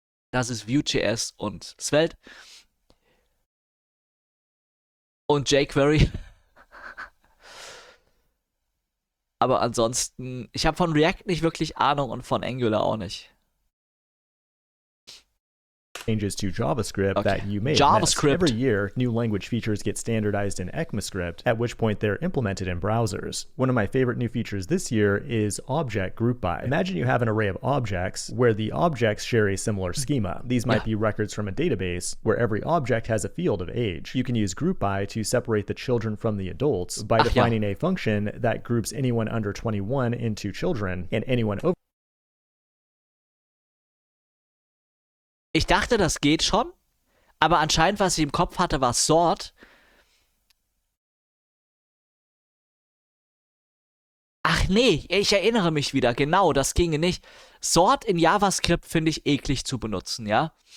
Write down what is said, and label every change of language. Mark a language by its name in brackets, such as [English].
[German] Das ist Vue.js und Svelte. Und jQuery. Aber ansonsten, ich habe von React nicht wirklich Ahnung und von Angular auch nicht. [English] Changes to JavaScript okay. That you made. JavaScript. Every year, new language features get standardized in ECMAScript, at which point they're implemented in browsers. One of my favorite new features this year is object group by. Imagine you have an array of objects where the objects share a similar schema. These might be records from a database where every object has a field of age. You can use group by to separate the children from the adults by defining a function that groups anyone under 21 into children and anyone over. [German] Ich dachte, das geht schon, aber anscheinend, was ich im Kopf hatte, war Sort. Ach nee, ich erinnere mich wieder, genau, das ginge nicht. Sort in JavaScript finde ich eklig zu benutzen, ja.